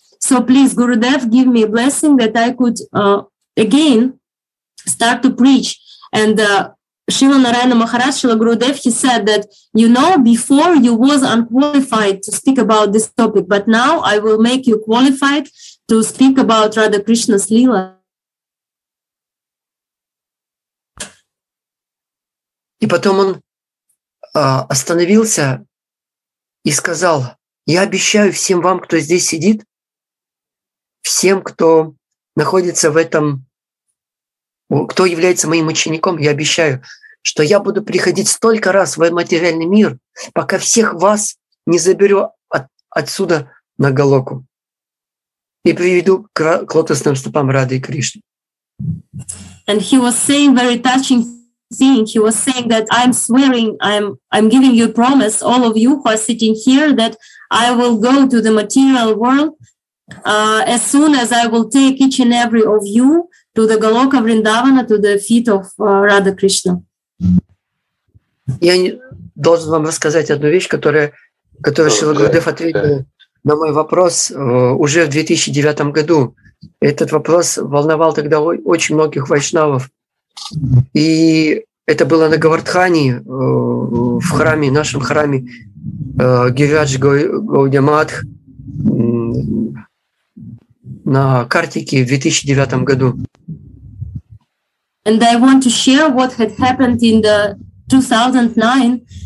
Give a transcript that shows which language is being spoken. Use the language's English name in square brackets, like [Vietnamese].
[English] So please, Gurudev, give me a blessing that I could again start to preach. And Srila Narayana Maharaj, Srila Gurudev, he said that, you know, before you was unqualified to speak about this topic, but now I will make you qualified to speak about Radha Krishna's Leela. [Russian] И потом он остановился и сказал: «Я обещаю всем вам, кто здесь сидит, всем, кто находится в этом, кто является моим учеником, я обещаю, что я буду приходить столько раз в материальный мир, пока всех вас не заберу отсюда на Голоку и приведу к лотосным стопам Рады и Кришны». [English] And he was saying very touching thing. He was saying that I'm swearing, I'm giving you a promise, all of you who are sitting here, that I will go to the material world as soon as I will take each and every of you to the Goloka Vrindavana, to the feet of Radha Krishna. [Russian] Я должен вам рассказать одну вещь, которую Шрила Гурудев ответил на мой вопрос уже в 2009 году. Этот вопрос волновал тогда очень многих вайшнавов. И это было на Говардхане, в храме, в нашем храме Гирадж Гаудиамадх на Картике в 2009 году. [English] And I want to share what had happened in the 2009.